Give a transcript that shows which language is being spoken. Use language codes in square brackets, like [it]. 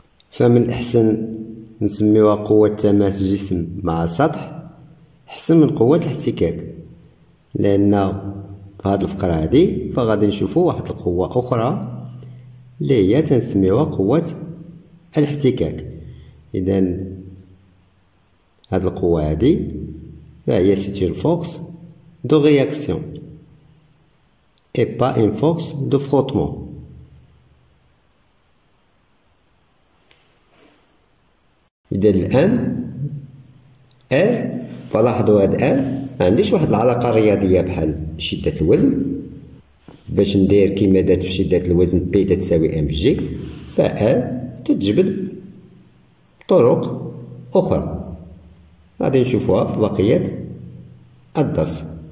[ar] فمن الأحسن نسميها قوة تماس الجسم مع السطح أحسن من قوة الاحتكاك، لأن في هذه الفقرة هذه فغادي نشوفوا واحد القوة أخرى اللي هي تنسميها قوة الاحتكاك. إذن هذه القوة هذه فهي [fr] ستيل فورس دو رياكسيون، et pas une force de frottement. [ar] إذا الآن R فلاحظوا هاد R ما عنديش واحد العلاقة رياضية بحال شدة الوزن باش ندير كيما دات في شدة الوزن P تساوي M في G ف R تتجبد بطرق أخرى غادي نشوفوها في بقية الدرس.